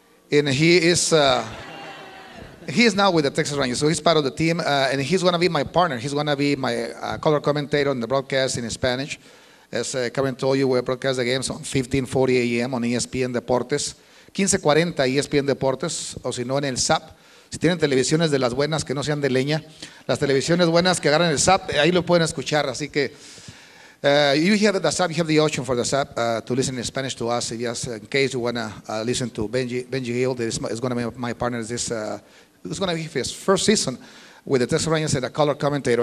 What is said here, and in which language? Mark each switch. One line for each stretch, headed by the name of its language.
English: And he is now with the Texas Rangers, so he's part of the team. And he's going to be my partner. He's going to be my color commentator on the broadcast in Spanish. As Kevin told you, we'll broadcast the games on 15:40 a.m.
Spanish: on ESPN Deportes. 15:40 ESPN Deportes, o si no, en el SAP. Si tienen televisiones de las buenas, que no sean de leña, las televisiones buenas que agarran el SAP, ahí lo pueden escuchar. Así que,
English: you have the SAP, you have the option for the SAP to listen in Spanish to us, just in case you want to listen to Benji Hill, that is going to be my partner. This is going to be his first season with the Texas Rangers as a color commentator.